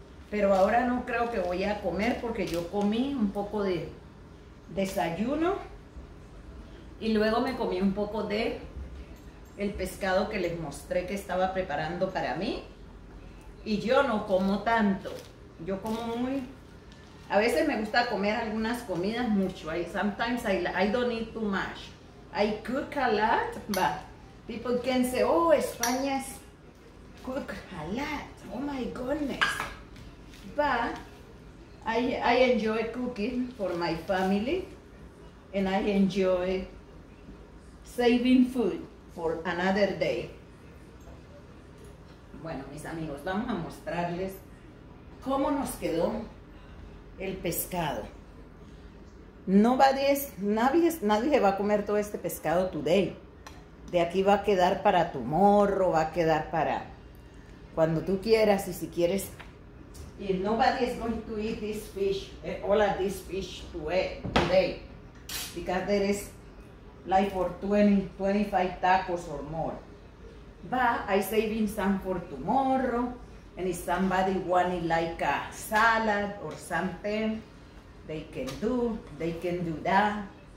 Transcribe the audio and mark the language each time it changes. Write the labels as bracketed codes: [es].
[es] Pero ahora no creo que voy a comer porque yo comí un poco de desayuno. Y luego me comí un poco de el pescado que les mostré que estaba preparando para mí. Y yo no como tanto. Yo como muy... A veces me gusta comer algunas comidas mucho. [en] Sometimes I don't eat too much. I cook a lot, but people can say, oh, España is cook a lot. Oh, my goodness. But I enjoy cooking for my family. And I enjoy saving food for another day. [es] Bueno, mis amigos, vamos a mostrarles cómo nos quedó el pescado. Nadie va a comer todo este pescado today. De aquí va a quedar para tu morro, va a quedar para cuando tú quieras y si quieres. [en] Y nobody is going to eat this fish, all of this fish today. Because there is like for 20, 25 tacos or more. But I saving some for tomorrow. And if somebody wanted like a salad or something, they can do that.